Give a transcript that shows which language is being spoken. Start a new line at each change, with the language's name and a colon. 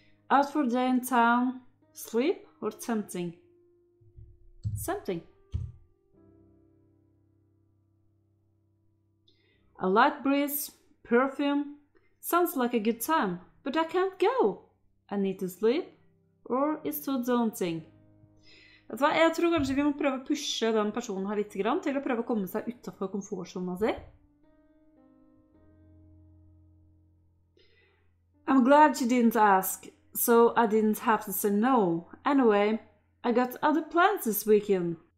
English: Out for a day in town, sleep or tempting? Tempting. A light breeze, perfume, sounds like a good time, but I can't go. I need to sleep, or it's too daunting.
Norwegian: Jeg tror kanskje vi må prøve å pushe den personen her litt til å prøve å komme seg utenfor komfortzonen sin.
English: I'm glad you didn't ask, so I didn't have to say no. Anyway, I got other plans this weekend.